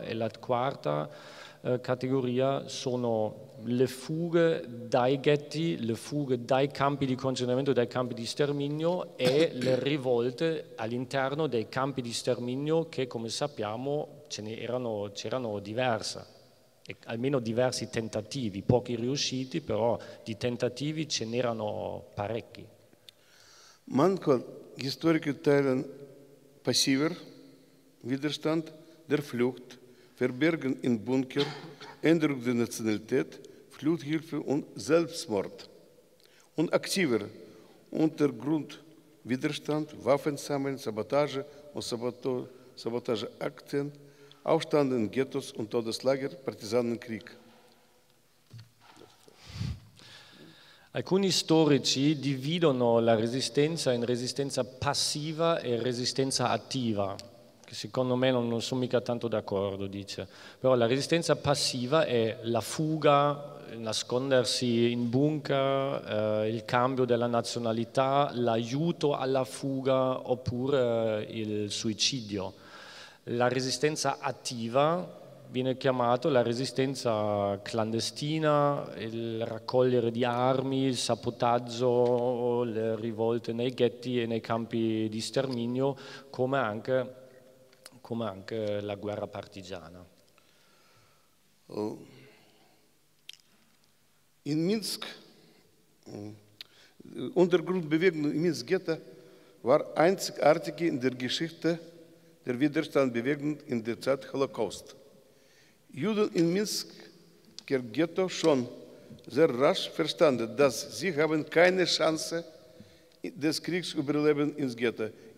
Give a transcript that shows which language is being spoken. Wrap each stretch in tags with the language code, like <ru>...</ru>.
<it>E la quarta categoria sono le fughe dai ghetti, le fughe dai campi di concentramento, dai campi di sterminio e le rivolte all'interno dei campi di sterminio che, come sappiamo, c'erano diverse, almeno diversi tentativi, pochi riusciti, però di tentativi ce n'erano parecchi. Manco gli storici</it> <de>teilen passiver Widerstand der Flucht, verbergen in Bunker, Änderung der Nationalität, Fluchthilfe und Selbstmord. Und aktiver Untergrundwiderstand, Waffensammeln, Sabotage und Sabotageakten, Aufstand in Ghettos und Todeslager, Partisanenkrieg.</de> <it>Alcuni storici dividono la resistenza in resistenza passiva e resistenza attiva. Secondo me non sono mica tanto d'accordo, dice. Però la resistenza passiva è la fuga, nascondersi in bunker, il cambio della nazionalità, l'aiuto alla fuga oppure il suicidio. La resistenza attiva viene chiamato la resistenza clandestina, il raccogliere di armi, il sabotaggio, le rivolte nei ghetti e nei campi di sterminio, come anche la guerra partigiana.</it> <de>In Minsk, Untergrundbewegung in Minsk Ghetto war einzigartig in der Geschichte der Widerstandsbewegung in der Zeit Holocaust. Juden in Minsk Ghetto schon sehr rasch verstanden, dass sie haben keine Chance des Kriegs überleben ins Ghetto.</de>